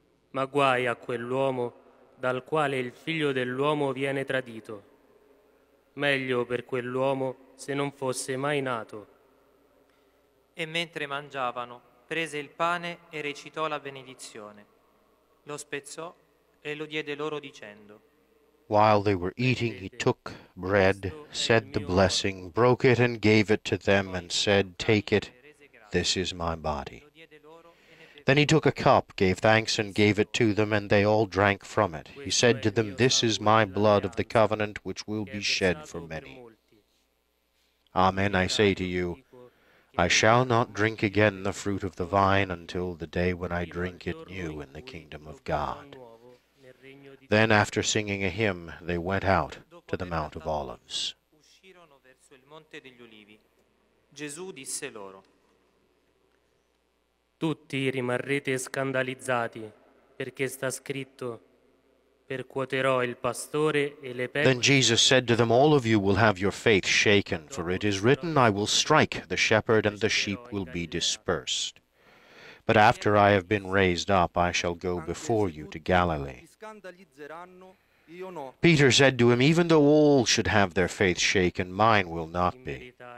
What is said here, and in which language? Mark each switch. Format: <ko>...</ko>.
<it>Ma guai a quell'uomo dal quale il figlio dell'uomo viene tradito. Meglio per quell'uomo se non fosse mai nato. E mentre mangiavano, prese il pane e recitò la benedizione. Lo spezzò e lo diede loro dicendo:</it> <en>while they were eating, he took bread, said the blessing, broke it and gave it to them and said, take it, this is my body. Then he took a cup, gave thanks and gave it to them, and they all drank from it. He said to them, this is my blood of the covenant, which will be shed for many. Amen, I say to you, I shall not drink again the fruit of the vine until the day when I drink it new in the kingdom of God. Then, after singing a hymn, they went out to the Mount of Olives.</en> <it>Uscirono verso il Monte degli Ulivi. Gesù disse loro: tutti rimarrete scandalizzati, perché sta scritto: percuoterò il pastore e le pecore.</it> <en>Then Jesus said to them, all of you will have your faith shaken, for it is written, I will strike the shepherd, and the sheep will be dispersed. But after I have been raised up, I shall go before you to Galilee. Peter said to him, even though all should have their faith shaken, mine will not be.</en>